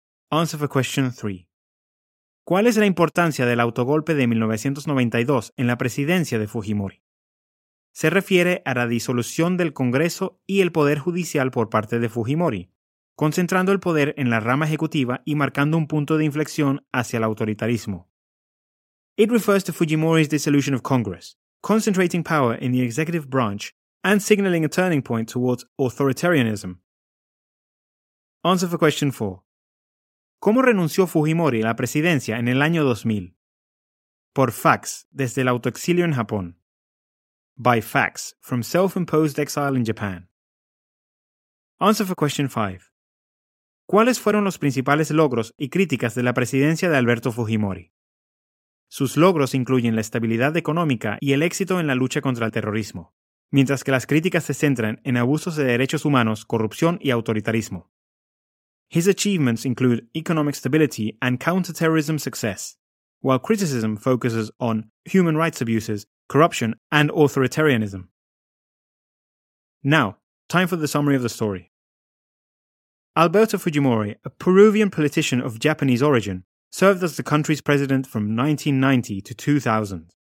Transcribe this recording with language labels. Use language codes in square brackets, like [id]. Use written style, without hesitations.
[en] Answer for question 3. [es] ¿Cuál es la importancia del autogolpe de 1992 en la presidencia de Fujimori? Se refiere a la disolución del Congreso y el poder judicial por parte de Fujimori, concentrando el poder en la rama ejecutiva y marcando un punto de inflexión hacia el autoritarismo. [en] It refers to Fujimori's dissolution of Congress, concentrating power in the executive branch and signaling a turning point towards authoritarianism. Answer for question 4. [es] ¿Cómo renunció Fujimori a la presidencia en el año 2000? Por fax, desde el autoexilio en Japón. [en] By fax, from self-imposed exile in Japan. Answer for question 5. [es] ¿Cuáles fueron los principales logros y críticas de la presidencia de Alberto Fujimori? Sus logros incluyen la estabilidad económica y el éxito en la lucha contra el terrorismo, mientras que las críticas se centran en abusos de derechos humanos, corrupción y autoritarismo. [en] His achievements include economic stability and counterterrorism success, while criticism focuses on human rights abuses, corruption, and authoritarianism. Now, Time for the summary of the story. Alberto Fujimori, a Peruvian politician of Japanese origin, served as the country's president from 1990 to 2000.